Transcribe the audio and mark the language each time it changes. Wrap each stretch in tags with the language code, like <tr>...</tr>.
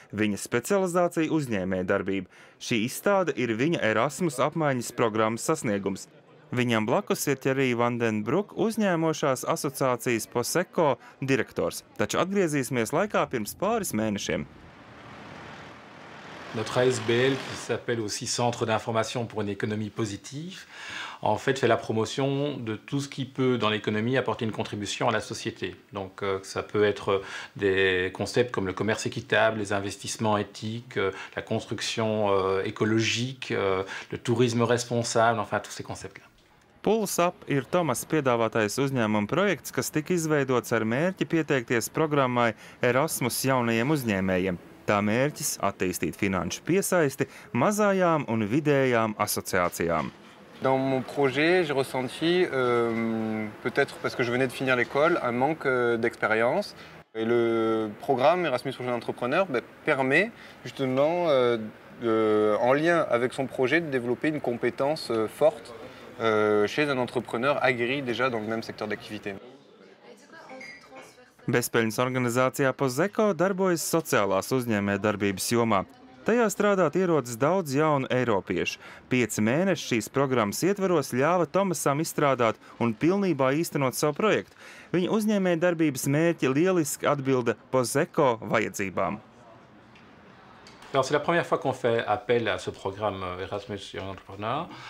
<lv>Viņa specializācija uzņēmējdarbība. Šī izstāde ir viņa Erasmus apmaiņas programmas sasniegums. Viņam blakus ir arī Van den Broek uzņēmošās asociācijas Posecco direktors, taču atgriezīsimies laikā pirms pāris mēnešiem.</lv> <fr>Notre ASBL, qui s'appelle aussi Centre d'information pour une économie positive, en fait fait la promotion de tout ce qui peut dans l'économie apporter une contribution à la société. Donc ça peut être des concepts comme le commerce équitable, les investissements éthiques, la construction écologique, le tourisme responsable, enfin tous ces concepts-là.</fr> <lv>PulseUp ir Tomas piedāvātais uzņēmuma projekts, kas tika izveidots ar mērķi pieteikties programmai Erasmus jaunajiem uzņēmējiem. Tā mērķis – attīstīt finanšu piesaisti mazajām un vidējām asociācijām.</lv> <fr>Dans mon projet, j'ai ressenti, peut-être parce que je venais de finir l'école, un manque d'expérience. Et le programme Erasmus pour jeunes entrepreneurs permet justement, en lien avec son projet, de développer une compétence forte chez un entrepreneur aguerri déjà dans le même secteur d'activité.</fr> <lv>Bezpeļņas organizācijā Posecco darbojas sociālās uzņēmējdarbības jomā. Tajā strādāt ierodas daudz jaunu eiropiešu. 5 mēneši šīs programmas ietvaros ļāva Tomasam izstrādāt un pilnībā īstenot savu projektu. Viņa uzņēmējdarbības mērķi lieliski atbilda Posecco vajadzībām.</lv> <fr>Alors, c'est la première fois qu'on fait appel à ce programme Erasmus Young Entrepreneur.</fr>